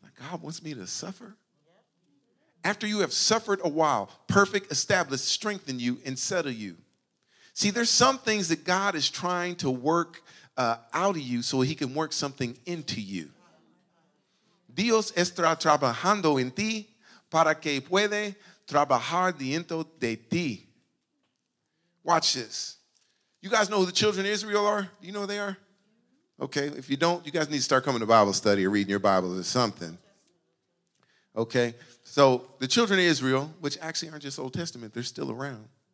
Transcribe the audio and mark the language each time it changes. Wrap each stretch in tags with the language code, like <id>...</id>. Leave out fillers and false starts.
<en>God wants me to suffer? After you have suffered a while, perfect, established, strengthen you, and settle you. See, there's some things that God is trying to work out of you so he can work something into you.</en> <es>Dios está trabajando en ti para que puede trabajar dentro de ti.</es> <en>Watch this. You guys know who the children of Israel are? Do you know who they are? Okay, if you don't, you guys need to start coming to Bible study or reading your Bible or something. Okay, so the children of Israel, which actually aren't just Old Testament, they're still around.</en>